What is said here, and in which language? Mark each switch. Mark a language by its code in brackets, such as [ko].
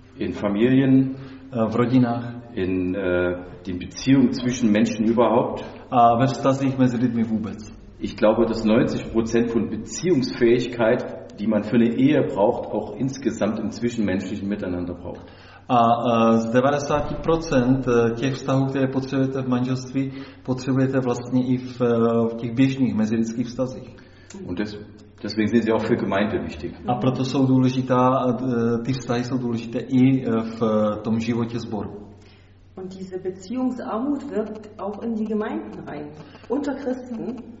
[de] In Familien. [cs] V rodinách. [de] In den Beziehungen zwischen Menschen überhaupt. [cs] A ve vztazích mezi lidmi vůbec. [de] Ich glaube, dass 90% von Beziehungsfähigkeit, die man für eine Ehe braucht, auch insgesamt im zwischenmenschlichen Miteinander braucht. [cs] A z 90% těch vztahů, které potřebujete v manželství, potřebujete vlastně i v těch běžných mezilidských vztazích. [de] Und deswegen sind sie auch für Gemeinde wichtig. [cs] A proto jsou důležitá, ty vztahy jsou důležité i v tom životě sboru. [de] Und diese Beziehungsarmut wirkt auch in die Gemeinden rein, unter Christen.